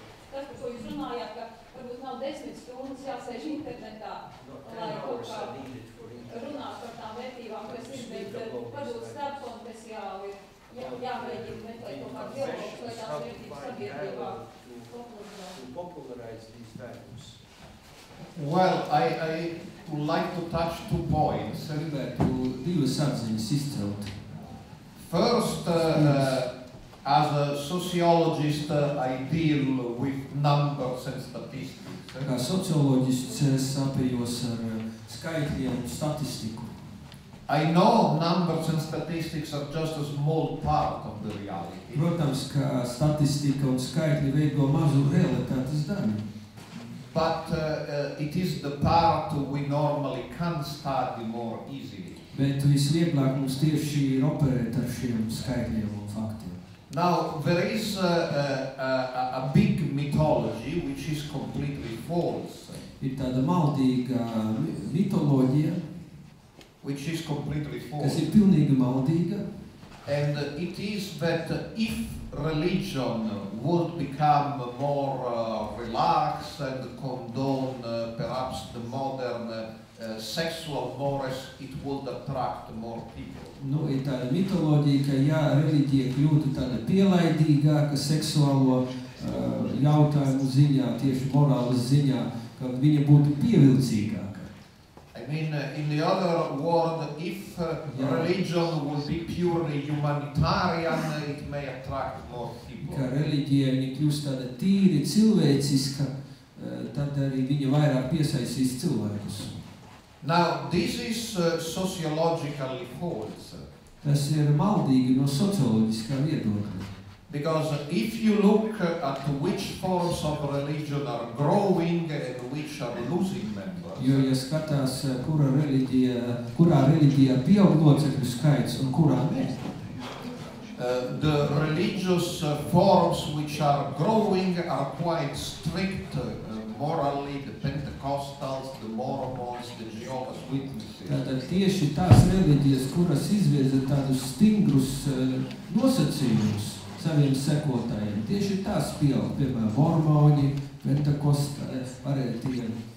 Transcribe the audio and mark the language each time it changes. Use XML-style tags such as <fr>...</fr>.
<lv>Tas, par ko jūs runājāt, ka varbūt nav 10 stundas jāsēž internetā, lai kaut kā runāt par tām vērtībām, kas ir, bet varbūt starpkonfesiāli jāveikina meklēt kaut kā dialogu, lai tās vērtības sabiedrībā populārizētu.</lv> <en>Well, I would like to touch two points. I would like to deal with something sister. First, as a sociologist, I deal with numbers and statistics.</en> <lv>Kā sociologists es apējos ar skaitļiem un statistiku.</lv> <en>I know numbers and statistics are just a small part of the reality.</en> <lv>Protams, ka statistika un skaitļi veido mazu realitātes daļu.</lv> <en>But it is the part we normally can't study more easily.</en> <lv>Bet visvieglāk mums tieši ir operēt ar šiem skaitļiem un faktiem.</lv> <en>Now, there is a big mythology which is completely false.</en> <lv>Ir tāda maldīga mitoloģija,</lv> <en>which is completely false.</en> <lv>Kas ir pilnīgi maldīga.</lv> <en>And it is that if religion would become more relaxed and condone perhaps the modern sexual mores, it would attract more people.</en> <lv>Nu, ir tāda mitoloģija, ka jā, reliģija kļūtu tāda pielaidīgāka seksuālo jautājumu ziņā, tieši morālas ziņā, ka viņa būtu pievilcīgāka.</lv> <en>I mean, in the other word, if religion would be purely humanitarian, it may attract more people.</en> <lv>Ka reliģija kļūst tāda tīri cilvēciska, tad arī viņa vairāk piesaistīs cilvēkus.</lv> <en>Now, this is sociologically false.</en> <lv>Tas ir maldīgi no socioloģiskā viedokļa.</lv> <en>Because if you look at which forms of religion are growing and which are losing members.</en> <lv>Jo, ja skatās, kurā reliģija pieaug locekļu skaits un kurā ne.</lv> <en>The religious forms which are growing are quite strict morally, the Pentecostals, the Mormons, the Jehovah's Witnesses.</en> <lv>Tātad tieši tās reliģijas, kuras izvieza tādus stingrus nosacījumus, saviem sekotājiem. Tieši tās pieaug, piemēram, Mormoni, Pentekosta, pārētiem.</lv>